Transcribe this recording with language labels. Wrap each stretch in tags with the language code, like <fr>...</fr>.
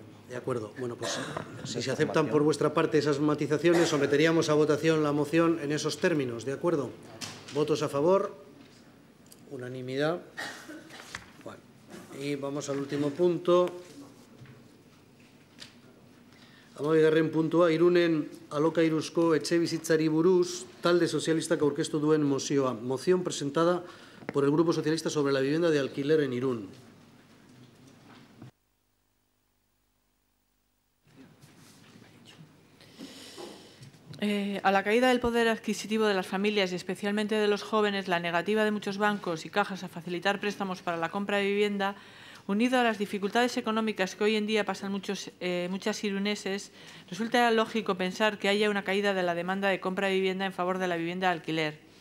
<es>De acuerdo. Bueno, pues si se aceptan por vuestra parte esas matizaciones, someteríamos a votación la moción en esos términos, ¿de acuerdo? ¿Votos a favor? Unanimidad. Bueno, y vamos al último punto.</es> <eu>Amabigarren puntua, Irunen alokairuzko etxebizitzari buruz talde sozialistak aurkeztu duen mozioa.</eu> <es>Moción presentada por el Grupo Socialista sobre la vivienda de alquiler en Irún. A la caída del poder adquisitivo de las familias y especialmente de los jóvenes, la negativa de muchos bancos y cajas a facilitar préstamos para la compra de vivienda, unido a las dificultades económicas que hoy en día pasan muchas iruneses, resulta lógico pensar que haya una caída de la demanda de compra de vivienda en favor de la vivienda de alquiler.</es>